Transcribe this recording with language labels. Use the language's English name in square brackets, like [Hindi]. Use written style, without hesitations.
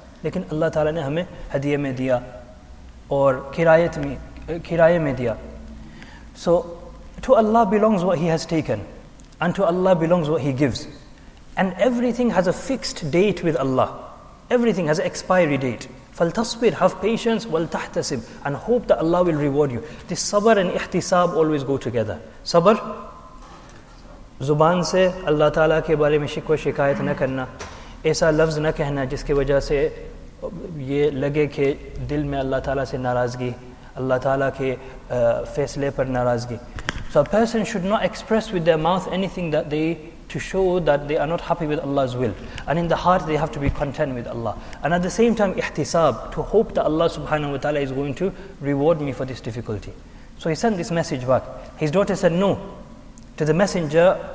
[Urdu] لیکن اللہ تعالیٰ نے ہمیں ہدیے میں دیا اور کرائے میں دیا. [English] So to Allah belongs what He has taken and to Allah belongs what He gives. And everything has a fixed date with Allah. Everything has an expiry date. [Arabic] فَالْتَصْبِرْ [English] Have patience [Arabic] وَالْتَحْتَسِبْ [English] And hope that Allah will reward you. This sabr and ihtisab always go together. [Urdu] Sabr, زبان سے اللہ تعالیٰ کے بارے میں شکوہ شکایت نہ کرنا, ایسا لفظ نہ کہنا جس کے وجہ سے یہ لگے کہ دل میں اللہ تعالیٰ سے ناراضگی, اللہ تعالیٰ کے فیصلے پر ناراضگی. [English] So a person should not express with their mouth anything that they to show that they are not happy with Allah's will. And in the heart they have to be content with Allah. And at the same time, ihtisab, to hope that Allah subhanahu wa ta'ala is going to reward me for this difficulty. So he sent this message back. His daughter said no to the messenger.